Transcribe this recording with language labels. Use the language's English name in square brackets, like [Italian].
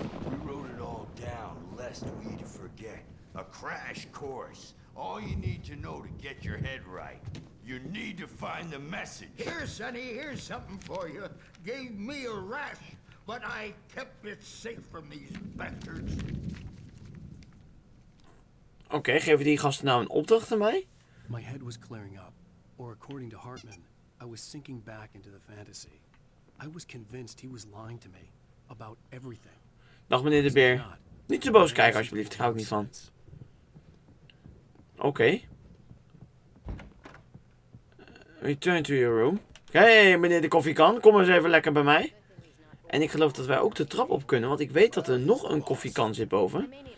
[English] We wrote it all down, lest we'd forget. A crash course. All you need to know to get your head right. You need to find the message. Here, Sonny, here's something for you. Gave me a rash, but I kept it safe from these bastards. [Dutch] Okay, geven die gasten nou een opdracht aan mij? [English] My head was clearing up, or according to Hartman, I was sinking back into the fantasy. I was convinced he was lying to me about everything. [Dutch] Dag meneer de Beer. Niet te boos kijken alsjeblieft, daar hou ik niet van. [English] Okay. Return to your room. [Dutch] Hey, meneer de koffiekan, kom eens even lekker bij mij. En ik geloof dat wij ook de trap op kunnen, want ik weet dat er nog een koffiekan zit boven.